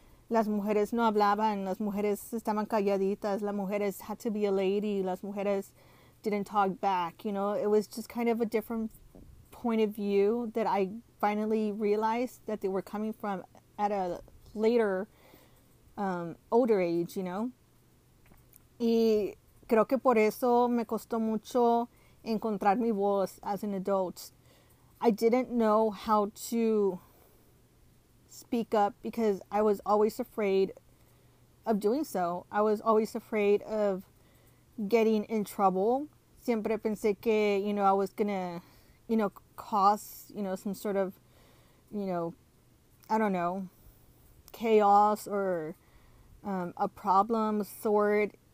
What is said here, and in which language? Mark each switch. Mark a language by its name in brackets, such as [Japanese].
[Spanish] Las mujeres no hablaban, las mujeres estaban calladitas, las mujeres [English] had to be a lady, [Spanish] las mujeres [English] didn't talk back, you know. It was just kind of a different point of view that I finally realized that they were coming from at a later, older age, you know. [Spanish] Y creo que por eso me costó mucho encontrar mi voz as an adult. [English] I didn't know how to speak up because I was always afraid of doing so. I was always afraid of getting in trouble. [Spanish] Siempre pensé que, [English] you know, I was gonna, you know, cause, you know, some sort of, you know, I don't know, chaos or a problem of sort.